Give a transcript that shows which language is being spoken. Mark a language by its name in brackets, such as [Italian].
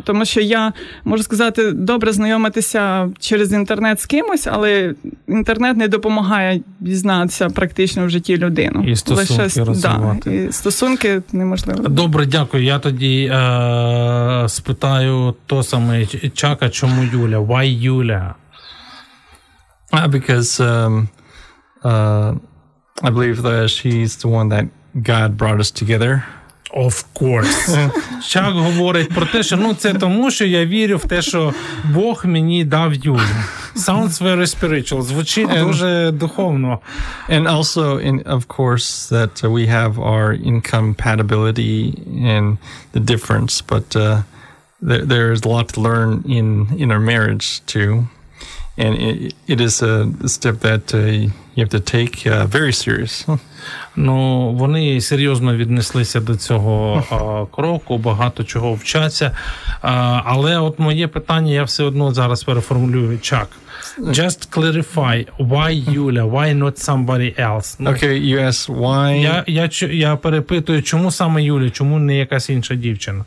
[Ukrainian] Тому що я, можу сказати, добре знайомитися через інтернет з кимось, але інтернет не допомагає дізнатися практично в житті людину. І стосунки лише розвивати. Да, і стосунки неможливо. Добре, дякую. Я тоді спитаю то саме Чака, чому Юля? [English] Why Юля? Because I believe that she's the one that God brought us together. Of course. [Ukrainian] Чак говорить про те, що ну це тому, що я вірю в те, що Бог мені дав Юлю. [English] Sounds very spiritual. [Ukrainian] Звучить дуже духовно. [English] And also, in, of course, that we have our incompatibility and the difference, but there is a lot to learn in our marriage too. And it is a step that you have to take very serious. [Ukrainian] Ну, вони серйозно віднеслися до цього кроку, багато чого вчаться. Але от моє питання, я все одно зараз переформулюю. [English] Чак, just clarify, why Юля, why not somebody else? Ну, okay, you ask why? [Ukrainian] Я перепитую, чому саме Юля, чому не якась інша дівчина?